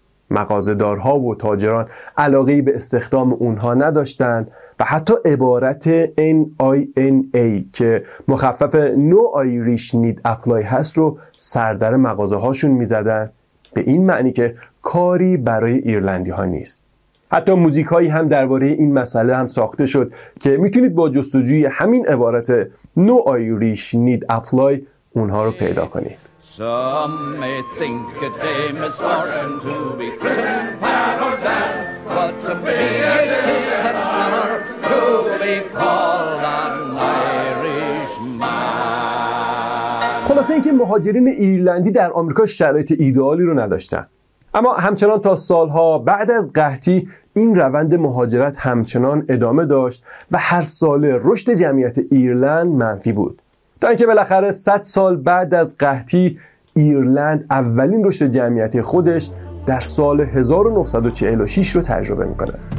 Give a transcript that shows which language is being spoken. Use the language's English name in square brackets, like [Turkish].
[Persian] مغازه‌دارها و تاجران علاقه‌ای به استخدام اونها نداشتند و حتی عبارت NINA که مخفف [English] No Irish Need Apply [Persian] هست رو سردر مغازه‌هاشون می‌زدند، به این معنی که کاری برای ایرلندی‌ها نیست. حتی موزیکایی هم درباره این مسئله هم ساخته شد که میتونید با جستجوی همین عبارت [English] No Irish Need Apply [Persian] اونها رو پیدا کنید. [English] Some may think it a misfortune to be christened Pat or Dan, but to me it is an honor to be called an Irish man. [Persian] خلاصه اینکه مهاجرین ایرلندی در آمریکا شرایط ایدئالی رو نداشتن، اما همچنان تا سالها بعد از قحطی این روند مهاجرت همچنان ادامه داشت و هر ساله رشد جمعیت ایرلند منفی بود، تا اینکه بالاخره 100 سال بعد از قحطی ایرلند اولین رشد جمعیتی خودش در سال 1946 رو تجربه میکنه.